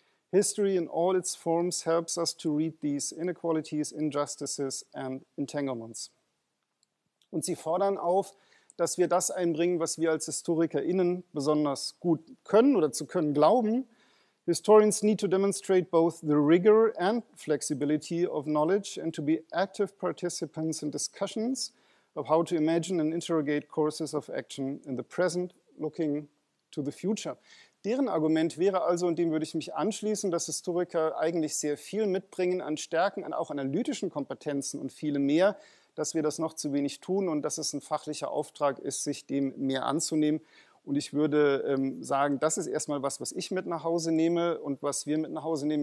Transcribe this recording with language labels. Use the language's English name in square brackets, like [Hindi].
[English] History in all its forms helps us to read these inequalities, injustices and entanglements. [German] Und sie fordern auf, dass wir das einbringen, was wir als HistorikerInnen besonders gut können oder zu können glauben. [English] Historians need to demonstrate both the rigor and flexibility of knowledge and to be active participants in discussions of how to imagine and interrogate courses of action in the present, looking to the future. [German] Deren Argument wäre also, und dem würde ich mich anschließen, dass Historiker eigentlich sehr viel mitbringen an Stärken, an auch analytischen Kompetenzen und viele mehr, dass wir das noch zu wenig tun und dass es ein fachlicher Auftrag ist, sich dem mehr anzunehmen. Und ich würde sagen, das ist erstmal was, was ich mit nach Hause nehme und was wir mit nach Hause nehmen.